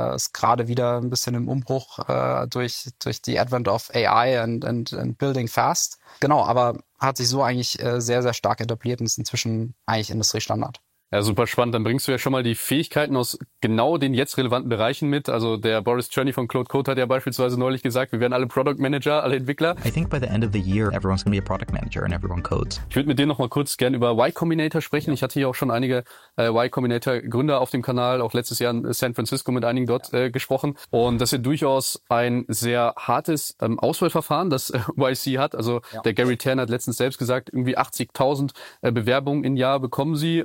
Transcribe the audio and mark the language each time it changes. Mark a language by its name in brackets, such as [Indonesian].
[German] Ist gerade wieder ein bisschen im Umbruch durch die [English] Advent of AI and Building Fast. [German] Genau, aber hat sich so eigentlich sehr, sehr stark etabliert und ist inzwischen eigentlich Industriestandard. Ja, super spannend. Dann bringst du ja schon mal die Fähigkeiten aus genau den jetzt relevanten Bereichen mit. Also der Boris Cherny von Claude Code hat ja beispielsweise neulich gesagt, wir werden alle Product Manager, alle Entwickler. [English] I think by the end of the year, everyone's gonna be a product manager and everyone codes. [German] Ich würde mit dir nochmal kurz gerne über Y Combinator sprechen. Ich hatte hier auch schon einige Y Combinator Gründer auf dem Kanal, auch letztes Jahr in San Francisco mit einigen dort gesprochen. Und das ist ja durchaus ein sehr hartes Auswahlverfahren, das YC hat. Also der Gary Tan hat letztens selbst gesagt, irgendwie 80.000 Bewerbungen im Jahr bekommen sie.